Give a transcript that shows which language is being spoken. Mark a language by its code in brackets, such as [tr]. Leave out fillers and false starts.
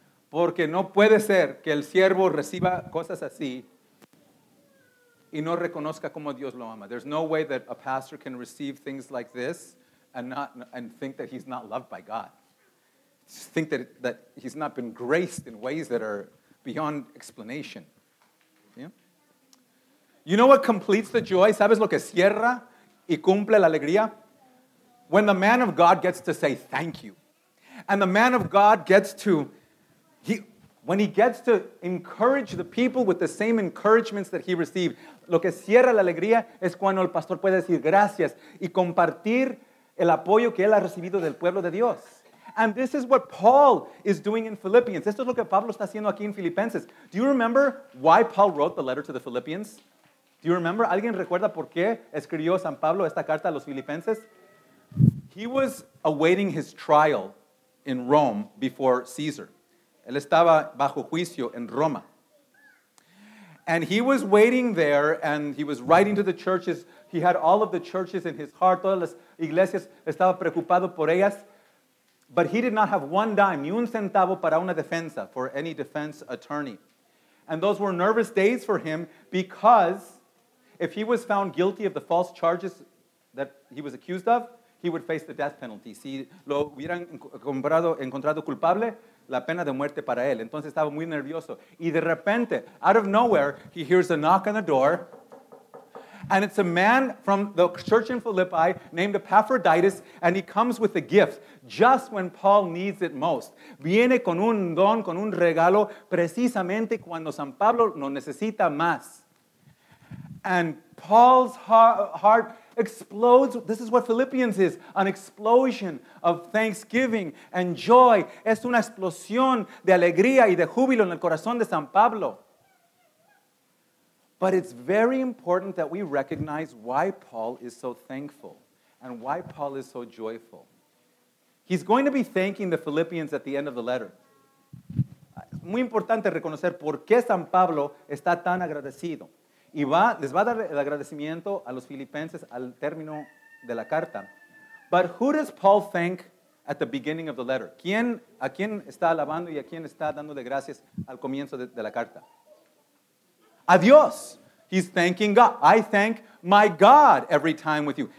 [es] Porque no puede ser que el siervo reciba cosas así y no reconozca como Dios lo ama. [en] There's no way that a pastor can receive things like this and think that he's not loved by God. Just think that he's not been graced in ways that are beyond explanation. You know what completes the joy? [es] ¿Sabes lo que cierra y cumple la alegría? [en] When the man of God gets to say thank you. And the man of God gets to, when he gets to encourage the people with the same encouragements that he received, [es] lo que cierra la alegría es cuando el pastor puede decir gracias y compartir el apoyo que él ha recibido del pueblo de Dios. [en] And this is what Paul is doing in Philippians. [es] Esto es lo que Pablo está haciendo aquí en Filipenses. [en] Do you remember why Paul wrote the letter to the Philippians? Do you remember? [es] ¿Alguien recuerda por qué escribió San Pablo esta carta a los Filipenses? [en] He was awaiting his trial in Rome before Caesar. [es] Él estaba bajo juicio en Roma. [en] And he was waiting there, and he was writing to the churches. He had all of the churches in his heart. [es] Todas las iglesias estaba preocupado por ellas. [en] But he did not have one dime, [es] ni un centavo para una defensa, [en] for any defense attorney. And those were nervous days for him, because if he was found guilty of the false charges that he was accused of, he would face the death penalty. [es] Si lo hubieran encontrado culpable, la pena de muerte para él. Entonces estaba muy nervioso. Y de repente, [en] out of nowhere, he hears a knock on the door. And it's a man from the church in Philippi named Epaphroditus, and he comes with a gift just when Paul needs it most. [es] Viene con un don, con un regalo, precisamente cuando San Pablo lo necesita más. [en] And Paul's heart explodes. This is what Philippians is, an explosion of thanksgiving and joy. [es] Es una explosión de alegría y de júbilo en el corazón de San Pablo. [en] But it's very important that we recognize why Paul is so thankful and why Paul is so joyful. He's going to be thanking the Philippians at the end of the letter. [es] Es muy importante reconocer por qué San Pablo está tan agradecido. Y les va a dar el agradecimiento a los filipenses al término de la carta. [en] But who does Paul thank at the beginning of the letter? [es] ¿A quién está alabando y a quién está dándole gracias al comienzo de la carta? A Dios. [en] He's thanking God. I thank my God every time with you.